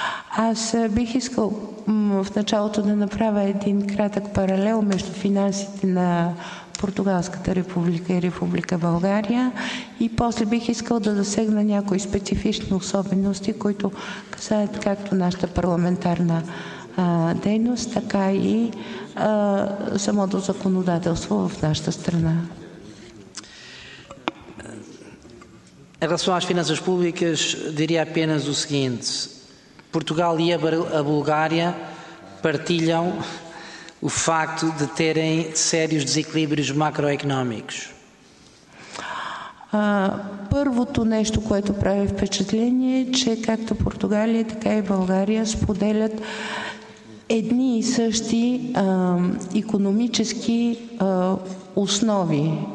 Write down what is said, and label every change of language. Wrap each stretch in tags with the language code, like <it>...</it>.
<bg>Аз бих искал в началото да направя един кратък паралел между финансите на Португалската република и Република България и после бих искал да засегна някои специфични особености, които касаят както нашата парламентарна дейност, така и самото законодателство в нашата страна.</bg> <pt>Em relação às finanças públicas, diria apenas o seguinte: Portugal e a Bulgária partilham o facto de terem sérios desequilíbrios macroeconómicos.</pt> <bg>Първото нещо, което прави впечатление, е, че както Португалия, така и България споделят едни и същи икономически основи.</bg>